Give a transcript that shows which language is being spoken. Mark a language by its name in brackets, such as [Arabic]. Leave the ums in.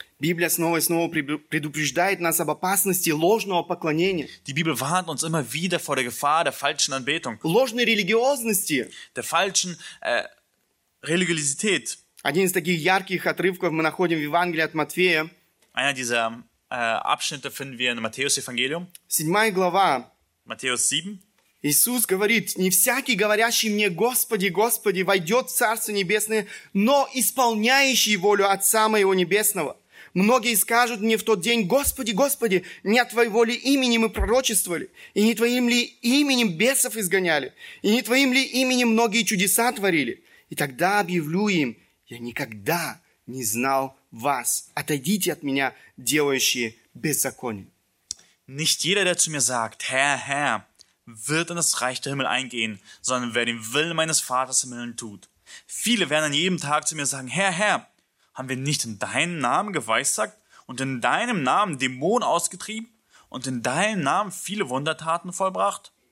[Russian] Библия снова и снова предупреждает нас об опасности ложного поклонения. [German] Die Bibel warnt uns immer wieder vor der Gefahr der falschen Anbetung. [Russian] Ложной религиозности. [German] Der falschen äh, Religiosität. [Russian] Один из таких ярких отрывков мы находим в Евангелии от Матфея. [German] Einer dieser äh, Abschnitte finden wir in Matthäus Evangelium. [Russian] Седьмая глава. [German] Matthäus 7. [Russian] Иисус говорит, не всякий, говорящий мне, Господи, Господи, войдет в Царство Небесное, но исполняющий волю Отца Моего Небесного. Многие скажут мне в тот день, Господи, Господи, не от Твоего ли имени мы пророчествовали, и не Твоим ли именем бесов изгоняли, и не Твоим ли именем многие чудеса творили. И тогда объявлю им, я никогда не знал вас. Отойдите от меня, делающие беззаконие. [German] Nicht jeder, der zu mir sagt, Herr, Herr, wird in das Reich der Himmel eingehen, sondern wer den Willen meines Vaters im Himmel tut. Viele werden an jedem Tag zu mir sagen, Herr, Herr, haben wir nicht in deinem Namen geweissagt und in deinem Namen Dämonen ausgetrieben und in deinem Namen viele Wundertaten vollbracht?